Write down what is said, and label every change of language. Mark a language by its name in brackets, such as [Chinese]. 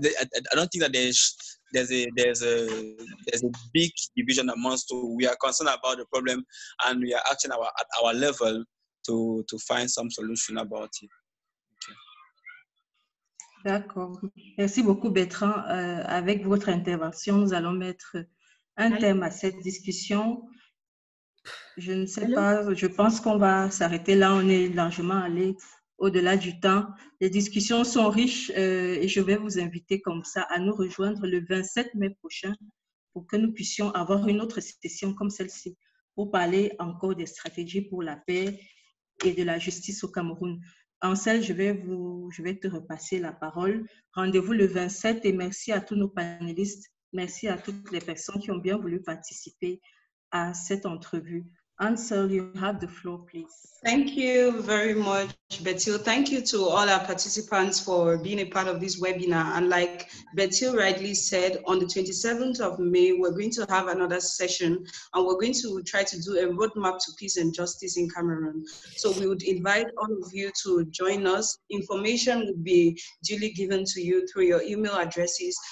[English] I don't think that there's a big division amongst two. We are concerned about the problem, and we are acting at our level to find some solution about it. [French] D'accord. Merci beaucoup, Bertrand. Avec votre intervention, nous allons mettre un thème à cette discussion. Je ne sais pas, je pense qu'on va s'arrêter là. On est largement allé au-delà du temps. Les discussions sont riches et je vais vous inviter comme ça à nous rejoindre le 27 mai prochain pour que nous puissions avoir une autre session comme celle-ci pour parler encore des stratégies pour la paix et de la justice au Cameroun. Ansel, je vais te repasser la parole. Rendez-vous le 27 et merci à tous nos panélistes. Merci à toutes les personnes qui ont bien voulu participer à cette entrevue. [English] Ansel, you have the floor, please. Thank you very much, Betil. Thank you to all our participants for being a part of this webinar. And like Betil rightly said, on the 27th of May, we're going to have another session and we're going to try to do a roadmap to peace and justice in Cameroon. So we would invite all of you to join us. Information will be duly given to you through your email addresses.